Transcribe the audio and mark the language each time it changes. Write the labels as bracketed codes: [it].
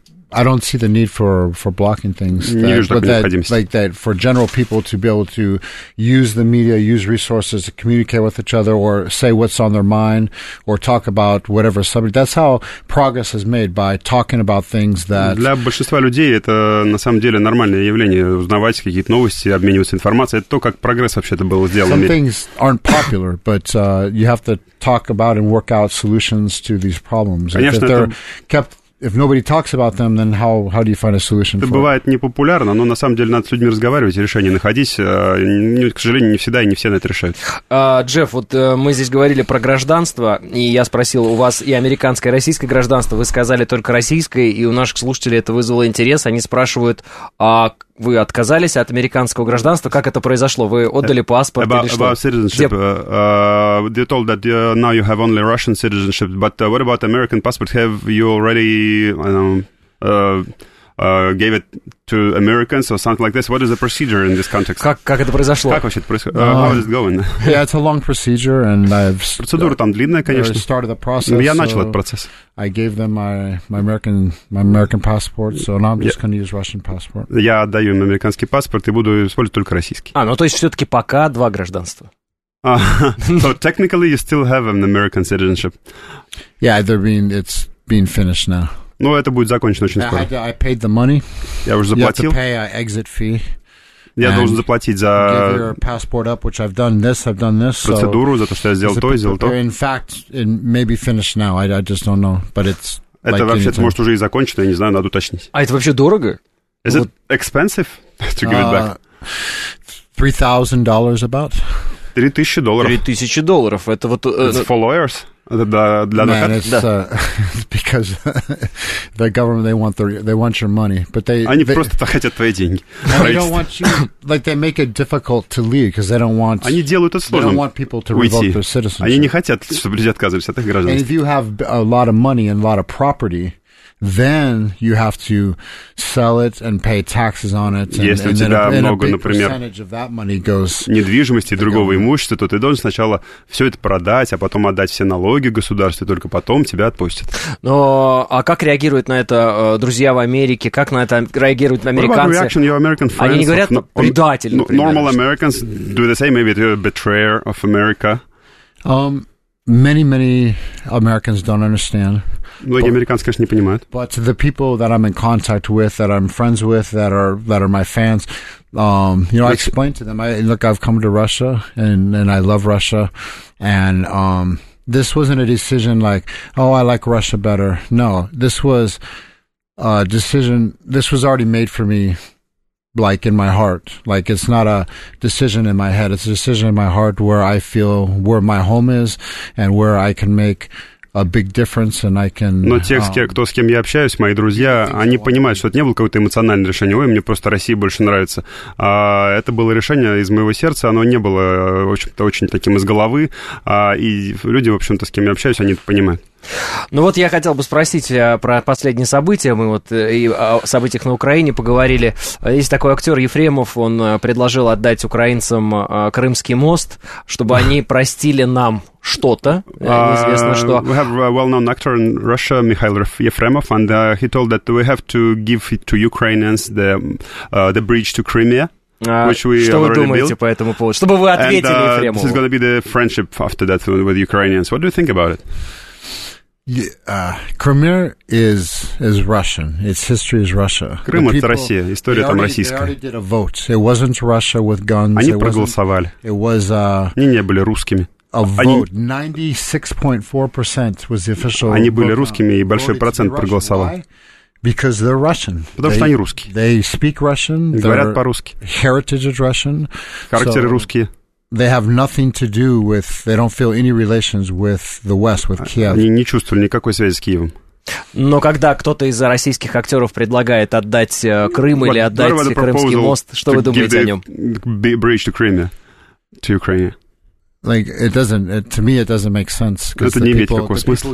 [en] I don't see the need for blocking things. That, [ru] вижу, [en] but that, like that, for general people to be able to use the media, use resources to communicate with each other or say what's on their mind or talk about whatever subject. That's how progress is made, by talking about things that... [ru] Для большинства людей это, на самом деле, нормальное явление, узнавать какие-то новости, обмениваться информацией. Это то, как прогресс вообще-то был сделан. [en] Some things aren't popular, but you have to talk about and work out solutions to these problems. [ru] Конечно, [en] if they're kept... If nobody talks about them, then how do you find a solution? [ru] Это бывает непопулярно, но на самом деле надо с людьми разговаривать и решение находить. К сожалению, не всегда и не все на это решают. Джефф, вот мы здесь говорили про гражданство, и я спросил, у вас и американское, и российское гражданство, вы сказали только российское, и у наших слушателей это вызвало интерес. Они спрашивают, а вы отказались от американского гражданства? Как это произошло? Вы отдали паспорт или что? [en] About citizenship. They told that now you have only Russian citizenship, but what about American passport? Have you already, gave it to Americans or something like this? What is the procedure in this context? [ru] Как это произошло? Как вообще это происходит? [en] How is it going? Yeah, it's a long procedure, and I've... [ru] Процедура там длинная, конечно. [en] Started the process. [ru] Я начал этот процесс. [en] I gave them my American passport, so now I'm just going to use Russian passport. [ru] Я отдаю им американский паспорт и буду использовать только российский. А, ну то есть все-таки пока два гражданства. [en] So technically you still have an American citizenship. Yeah, it's being finished now. [ru] Ну, это будет закончено очень скоро. [en] I paid the money. [ru] Я уже заплатил. [en] You have to pay an exit fee. [ru] Я должен заплатить за... [en] Give your passport up, which I've done this. [ru] Процедуру за то, что я сделал то и сделал то. [en] In fact, it may be finished now. I just don't know. But it's... [ru] Это вообще, может, уже и закончено, я не знаю, надо уточнить. А это вообще дорого? [en] Is it expensive to give it back? $3,000 about. $3,000. [ru] $3,000. Это вот... [en] It's for lawyers. Man, it's because the government, they want your money, but they [ru] просто так хотят твои деньги. [en] They don't want you, like they make it difficult to leave because they don't want. [ru] Они делают это сложно. [en] They don't want people to revoke [ru] уйти. [en] Their citizenship. [ru] Они не хотят, чтобы люди отказывались от их гражданства. [en] And if you have a lot of money and a lot of property, then you have to sell it and pay taxes on it. [ru] Если у тебя много, например, недвижимости и другого имущества, то ты должен сначала все это продать, а потом отдать все налоги государству, и только потом тебя отпустят. Но а как реагируют на это друзья в Америке? Как на это реагируют американцы? Они не говорят предатель, например. [en] Normal Americans do the same, maybe they're a betrayer of America. Many, many Americans don't understand. [ru] Многие американцы, конечно, не понимают. [en] But the people that I'm in contact with, that I'm friends with, that are my fans, you know, I explain to them. Look, I've come to Russia, and I love Russia, and this wasn't a decision like, oh, I like Russia better. No, this was a decision. This was already made for me. Like in my heart, like it's not a decision in my head. It's a decision in my heart where I feel where my home is and where I can make a big difference and I can. [ru] Но те, кто с кем я общаюсь, мои друзья, они понимают, что это не было какое-то эмоциональное решение. Ой, мне просто Россия больше нравится. А это было решение из моего сердца. Оно не было, в общем-то, очень таким из головы. А и люди, в общем-то, с кем я общаюсь, они это понимают. Ну вот я хотел бы спросить про последние события. Мы вот и о событиях на Украине поговорили. Есть такой актер Ефремов, он предложил отдать украинцам Крымский мост, чтобы они простили нам что-то, неизвестно что. [en] We have a well-known actor in Russia, Mikhail Ефремов, and he told that we have to give to Ukrainians the bridge to Crimea. Which we [ru] что [en] already [ru] вы думаете [en] built? [ru] По этому поводу? Чтобы вы ответили [en] and, [ru] Ефремову. [en] This is going to be the friendship after that with Ukrainians. What do you think about it? Crimea is Russian. Its history is Russia. [ru] Крым — это Россия. История там российская. [en] They already did a vote. It wasn't Russia with guns. [ru] Они проголосовали. [en] It was a... [ru] Они не были русскими. [en] A vote. 96.4% was the official... [ru] Они были русскими, и большой процент проголосовал. [en] Because they're Russian. [ru] Потому что они русские. [en] They speak Russian. [ru] Говорят по-русски. [en] Heritage is Russian. [ru] Характеры русские. [en] They have nothing to do with, they don't feel any relations with the West, with Kiev. [ru] Они не чувствовали никакой связи с Киевом. Но когда кто-то из российских актеров предлагает отдать Крым или отдать Крымский мост, что вы думаете о нем? [en] Bridge to Crimea, to Ukraine. Like, it doesn't, it, to me it doesn't make sense. [ru] Это не имеет никакого смысла.